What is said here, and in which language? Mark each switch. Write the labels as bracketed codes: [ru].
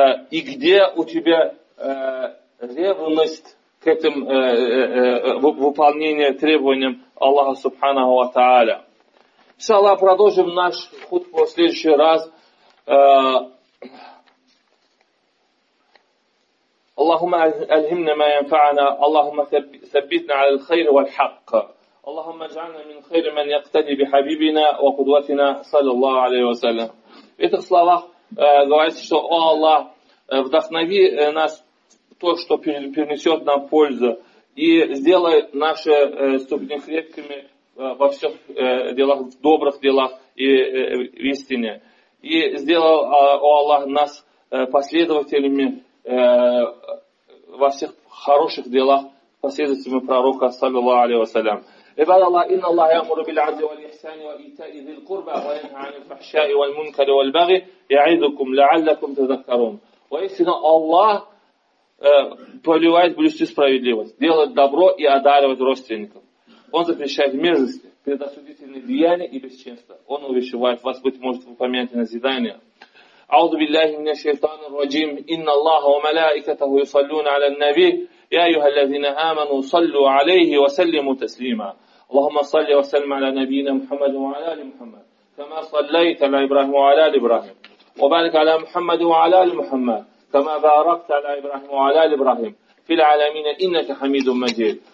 [ru] И где у тебя ревность к этим выполнению требованиям Аллаха Субханаху ва Тааля? Иншаллах, продолжим наш хутбу в следующий раз. [ar] اللهم ألهمنا ما ينفعنا اللهم ثبتنا على الخير والحق اللهم اجعلنا من خير من يقتدي بحبيبنا وقدوتنا صلى الله عليه وسلم. [ru] В этих словах говорится, что «О Аллах, вдохнови нас то, что принесет нам пользу, и сделай наши ступни крепкими во всех делах, в добрых делах и в истине, и сделай, о Аллах, нас последователями во всех хороших делах последователями пророка, саллиллаху алейхи вассалям». [ar] عباد الله إن الله يأمر بالعدل والإحسان وإيتاء ذي القربى وينهى عن الفحشاء والمنكر والبغي يعظكم لعلكم تذكرون. [ru] Воистину Аллах повелевает блюсти справедливость, делать добро и одаривать родственников. Он запрещает мерзость, предосудительные деяния и бесчинство. Он увещевает вас, быть может, вы помянете назидание. [ar] أعوذ بالله من الشيطان الرجيم إن الله وملائكته يصلون على النبي يا أيها الذين آمنوا صلوا عليه وسلموا تسليما اللهم صل وسلم على نبينا محمد وعلى آل محمد. كما صليت على إبراهيم وعلى آل إبراهيم، وبارك على محمد وعلى آل محمد كما باركت على إبراهيم وعلى آل إبراهيم في العالمين إنك حميد مجيد.